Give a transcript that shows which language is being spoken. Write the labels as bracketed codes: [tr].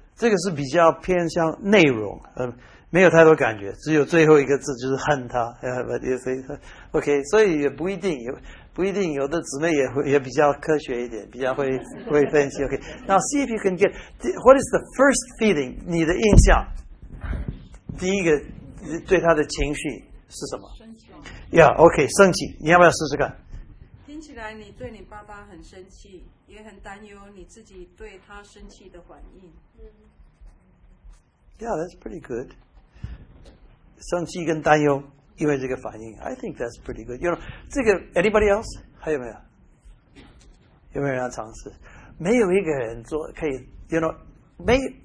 [zh] 这个是比较偏向内容，没有太多感觉，只有最后一个字就是恨他。 OK， 所以也不一定，有的姊妹也比较科学一点，比较会分析。 [en] OK， now see if you can get what is the first feeling？ [zh] 你的印象，第一个对他的情绪是什么？生气。 [en] Yeah， OK， [zh] 生气。你要不要试试看？听起来你对你爸爸很生气，也很担忧你自己对他生气的反应。 [en] Yeah, that's pretty good. [zh] 生气跟担忧，因为这个反应 ， [en] I think that's pretty good. You know, [zh] 这个 [en] anybody else [zh] 还有没有？有没有人要尝试？没有一个人做可以 ， [en] you know, [zh] 没。